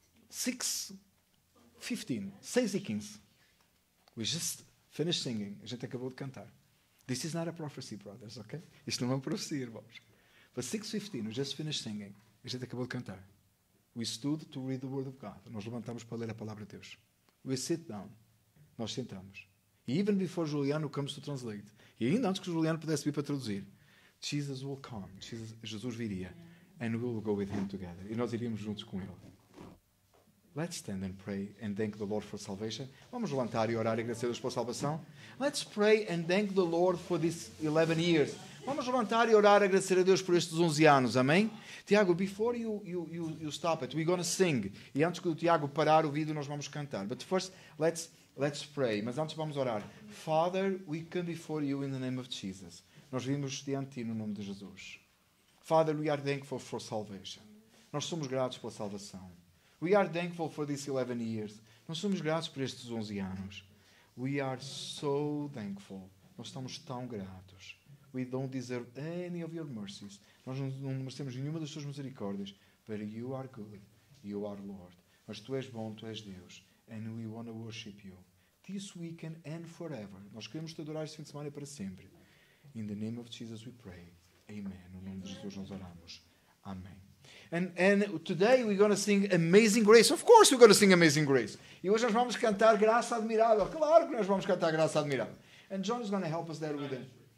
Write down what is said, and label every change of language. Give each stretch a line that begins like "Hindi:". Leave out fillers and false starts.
English: 6:15. We just finished singing.
Portuguese: A gente acabou de cantar.
English: This is not a prophecy, brothers, okay?
Portuguese: Isto não é uma profecia, irmãos.
English: But 6:15, we just finished singing.
Portuguese: A gente acabou de cantar.
English: We stood to read the Word of God.
Portuguese: Nós levantamos para ler a Palavra de Deus.
English: We sit down.
Portuguese: Nós sentamos.
English: Even before Juliano comes to translate.
Portuguese: E ainda antes que o Juliano pudesse vir para traduzir.
English: Jesus will come.
Portuguese: Jesus viria.
English: And we will go with him together.
Portuguese: E nós iríamos juntos com ele.
English: Let's stand and pray and thank the Lord for salvation.
Portuguese: Vamos levantar e orar e agradecer a Deus pela salvação.
English: Let's pray and thank the Lord for these 11 years.
Portuguese: Vamos levantar e orar, agradecer a Deus por estes 11 anos, amém?
English: Tiago, before you stop it, we're going to sing.
Portuguese: E antes que o Tiago parar o vídeo, nós vamos cantar.
English: But first, let's pray.
Portuguese: Mas antes vamos orar.
English: Father, we come before you in the name of Jesus.
Portuguese: Nós vimos diante de ti no nome de Jesus.
English: Father, we are thankful for salvation.
Portuguese: Nós somos gratos pela salvação.
English: We are thankful for these 11 years.
Portuguese: Nós somos gratos por estes 11 anos.
English: We are so thankful.
Portuguese: Nós estamos tão gratos.
English: We don't deserve any of your mercies.
Portuguese: Nós não merecemos nenhuma das tuas misericórdias.
English: But you are good. You are Lord.
Portuguese: Mas tu és bom, tu és Deus.
English: And we want to worship you. This weekend and forever.
Portuguese: Nós queremos te adorar este fim de semana e para sempre.
English: In the name of Jesus we pray. Amen.
Portuguese: No nome de Jesus nós oramos. Amém.
English: And today we're going to sing Amazing Grace. Of course we're going to sing Amazing Grace.
Portuguese: E hoje nós vamos cantar Graça Admirável. Claro que nós vamos cantar Graça Admirável.
English: And John is going to help us there with it.